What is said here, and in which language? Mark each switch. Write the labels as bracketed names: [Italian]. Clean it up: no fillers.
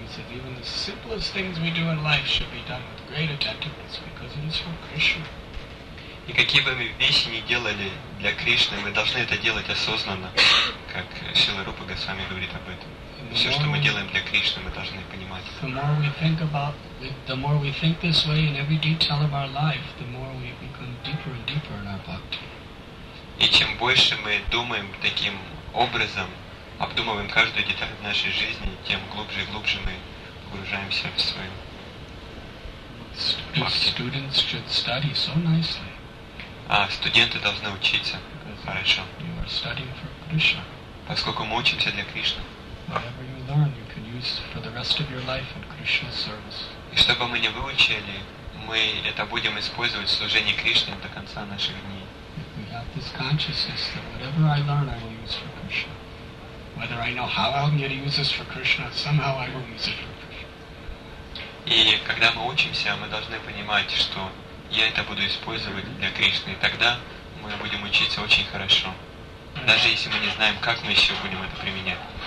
[English] Even the simplest things we do in life should be done with great attentiveness because it is for Krishna. [Russian] И какие бы мы вещи ни делали для Кришны, мы должны это делать осознанно, как Шрила Рупа Госвами говорит об этом. Все, что мы делаем для Кришны, мы должны понимать. [English] The more we think about, the more we think this way in every detail of our life, the more we become deeper and deeper in our bhakti. [Russian] И чем больше мы думаем таким образом, обдумываем каждую деталь в нашей жизни, тем глубже и глубже мы погружаемся в свою [English] бхакти. Students should study so nicely. [Russian] А студенты должны учиться хорошо. [English] You are studying for Krishna. [Russian] Поскольку мы учимся для Кришны. [English] Whatever you learn, you can use for the rest of your life in Krishna's service. [Russian] И что бы мы ни выучили, мы это будем использовать в служении Кришне до конца наших дней. [English] We have this consciousness that whatever I learn, I will use for Krishna. Whether I know how I'm going to use this for Krishna, somehow I will use it for Krishna. [Russian] И когда мы учимся, мы должны понимать, что я это буду использовать для Кришны, и тогда мы будем учиться очень хорошо. Даже если мы не знаем, как мы еще будем это применять.